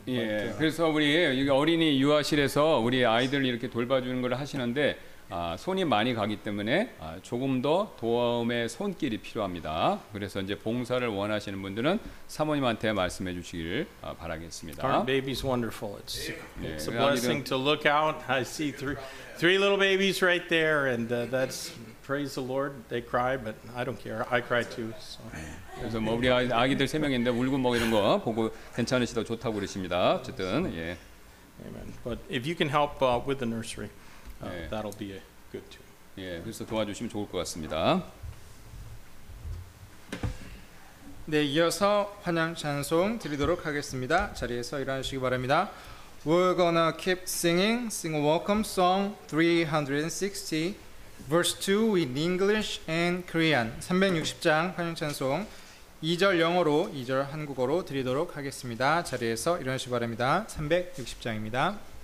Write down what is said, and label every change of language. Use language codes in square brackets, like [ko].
[ko] 예, 그래서 우리 어린이 유아실에서 우리 아이들 이렇게 돌봐주는 걸 하시는데 손이 많이 가기 때문에 조금 더 도움의 손길이 필요합니다. 그래서 이제 봉사를 원하시는 분들은 사모님한테 말씀해 주시길 바라겠습니다. [en] Our baby's wonderful. It's a blessing to look out. I see three little babies right there, and that's praise the Lord. They cry, but I don't care. I cry too. So. [ko] 그래서 뭐 우리 아기들 세 명인데 울고 뭐 이런 거 보고 괜찮으시다 좋다고 그러십니다. 어쨌든 예. [en] Amen. But if you can help with the nursery. That'll be a good too. [ko] 예, 그래서 도와주시면 좋을 것 같습니다. 네, 이어서 환영 찬송 드리도록 하겠습니다. 자리에서 일어나시기 바랍니다. [en] We're gonna keep singing, sing a welcome song 360, verse 2 in English and Korean. [ko] 360장 환영 찬송 2절 영어로, 2절 한국어로 드리도록 하겠습니다. 자리에서 일어나시기 바랍니다. 360장입니다.